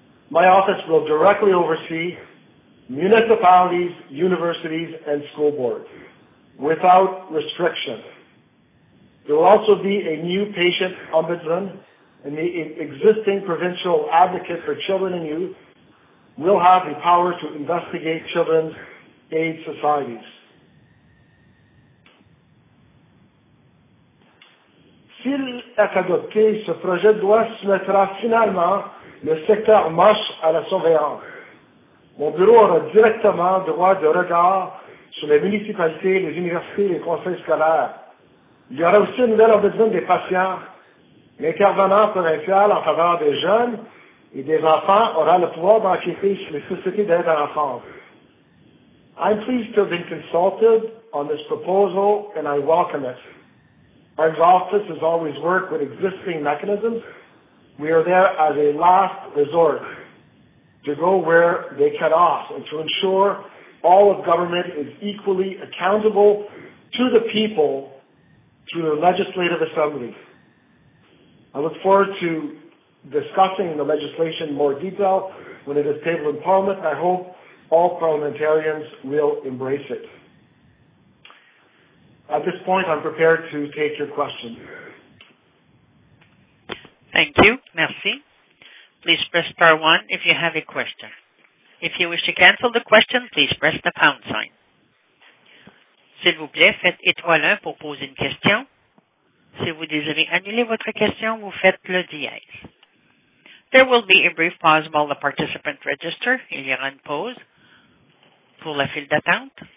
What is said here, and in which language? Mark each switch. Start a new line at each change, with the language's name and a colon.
English: My office will directly oversee municipalities, universities, and school boards, without restriction. There will also be a new patient ombudsman, and the existing provincial advocate for children and youth will have the power to investigate children's aid societies.
French: S'il est adopté, ce projet de loi soumettra finalement le secteur MUSH à la surveillance. Mon bureau aura directement droit de regard sur les municipalités, les universités, les conseils scolaires. Il y aura aussi une nouvelle ombudsman des patients. L'intervenant provincial en faveur des jeunes et des enfants aura le pouvoir d'enquêter sur les sociétés d'aide à l'enfance.
English: I'm pleased to have been consulted on this proposal and I welcome it. Our office has always worked with existing mechanisms. We are there as a last resort to go where they cut off and to ensure all of government is equally accountable to the people through the legislative assembly. I look forward to discussing the legislation in more detail when it is tabled in Parliament. I hope all parliamentarians will embrace it. At this point, I'm prepared to take your question. Thank you.
French: Merci.
English: Please press star 1 if you have a question. If you wish to cancel the question, please press the pound sign.
French: S'il vous plaît, faites étoile 1 pour poser une question. Si vous désirez annuler votre question, vous faites le dièse.
English: There will be a brief pause while the participant register.
French: Il y aura une pause pour la file d'attente.